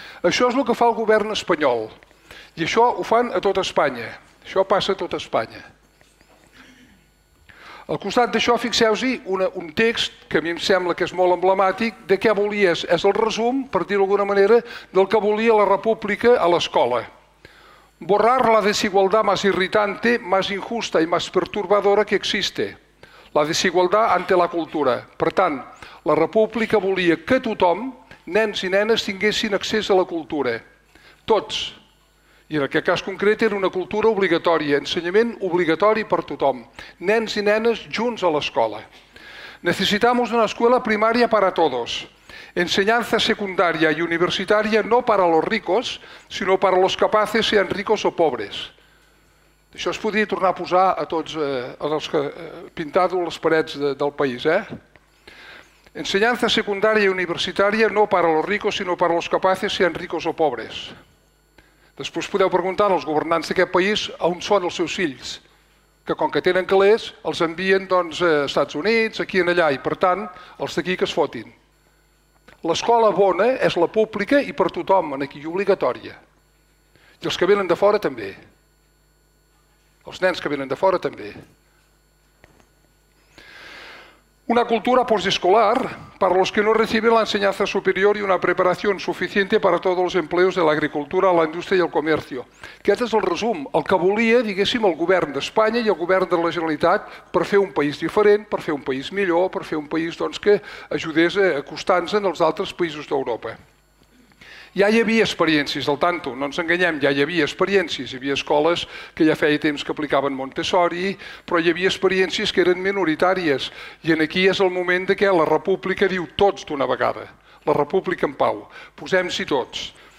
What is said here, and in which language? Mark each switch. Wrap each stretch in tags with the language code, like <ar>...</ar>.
<ca>Això és el que fa el govern espanyol. I això ho fan a tota Espanya. Això passa a tota Espanya. Al costat d'això, fixeu-vos-hi, un text que a mi em sembla que és molt emblemàtic, de què volia, és el resum, per dir-ho d'alguna manera, del que volia la República a l'escola.</ca> <es>Borrar la desigualdad más irritante, más injusta y más perturbadora que existe. La desigualdad ante la cultura.</es> <ca>Per tant, la República volia que tothom, nens i nenes, tinguessin accés a la cultura. Tots. I en aquest cas concret era una cultura obligatòria, ensenyament obligatori per tothom. Nens i nenes junts a l'escola.</ca> <es>Necesitamos una escuela primaria para todos. Enseñanza secundaria y universitaria no para los ricos, sino para los capaces, sean ricos o pobres.</es> <ca>Això es podria tornar a posar a tots els que pintat les parets del país.</ca> <es>Enseñanza secundaria y universitaria no para los ricos, sino para los capaces, sean ricos o pobres.</es> <ca>Després podeu preguntar als governants d'aquest país on són els seus fills, que com que tenen calés, els envien doncs, a Estats Units, aquí i allà, i per tant, els d'aquí que es fotin. L'escola bona és la pública i per tothom, aquí obligatòria. I els que venen de fora també. Els nens que venen de fora també.</ca> <es>Una cultura postescolar para los que no reciben la enseñanza superior y una preparación suficiente para todos los empleos de la agricultura, la industria y el comercio.</es> <ca>Aquest és el resum, el que volia, diguéssim, el govern d'Espanya i el govern de la Generalitat per fer un país diferent, per fer un país millor, per fer un país doncs, que ajudés a acostar-se als altres països d'Europa. Ja hi havia experiències, al tanto, no ens enganyem, ja hi havia experiències, hi havia escoles que ja feia temps que aplicaven Montessori, però hi havia experiències que eren minoritàries, i aquí és el moment que la República diu tots d'una vegada, la República en pau, posem-s'hi tots.</ca>